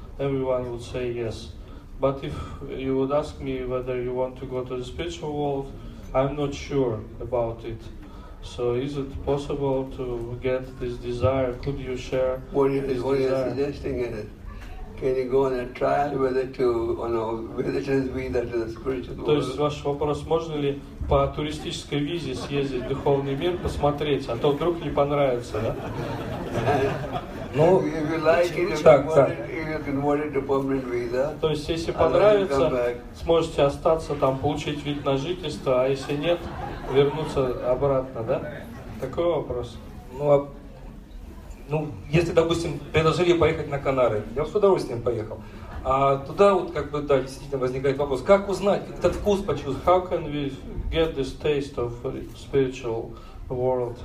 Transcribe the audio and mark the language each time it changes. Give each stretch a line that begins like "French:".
English: Everyone would say yes. But if you would ask me whether you want to go to the spiritual world, I'm not sure about it. So is it possible to get this desire? Could you share what you're suggesting? Is it? Can you go on a trial whether to, you know, whether to be that to the spiritual world?
Russian: То есть ваш вопрос, можно ли по туристической визе съездить в духовный мир, посмотреть, а то вдруг не понравится, да? Ну,
English: if you like it, if you convert it to permanent visa.
Russian: То есть если понравится, сможете остаться там, получить вид на жительство, а если нет, вернуться обратно, да? Такой вопрос. Ну, если, допустим, предложили поехать на Канары, я бы с удовольствием поехал. А туда вот как бы, да, действительно возникает вопрос, как узнать, этот вкус почувствовать?
English: How can we get this taste of spiritual world?